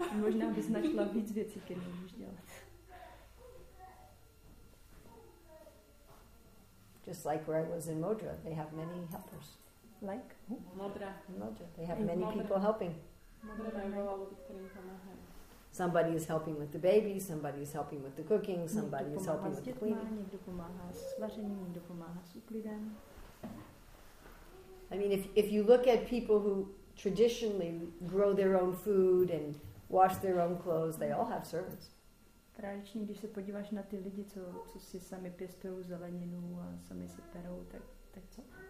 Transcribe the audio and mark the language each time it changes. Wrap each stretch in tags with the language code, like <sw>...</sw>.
<cs>Možná bys našla víc věcí, které můžeš dělat.</cs> <en>Just like where I was in Modra, they have many helpers. Like? Modra. In Modra. They have many people helping. Mm-hmm. Somebody is helping with the baby, somebody is helping with the cooking, somebody is helping with the cleaning.</en> <cs>Někdo pomáhá s vařením, někdo pomáhá s uklidem.</cs> <en>I mean, if you look at people who traditionally grow their own food and wash their own clothes, they all have servants.</en> <cs>Tradičně, když se podíváš na ty lidi, co si sami pěstují zeleninu a sami si perou, tak co?</cs>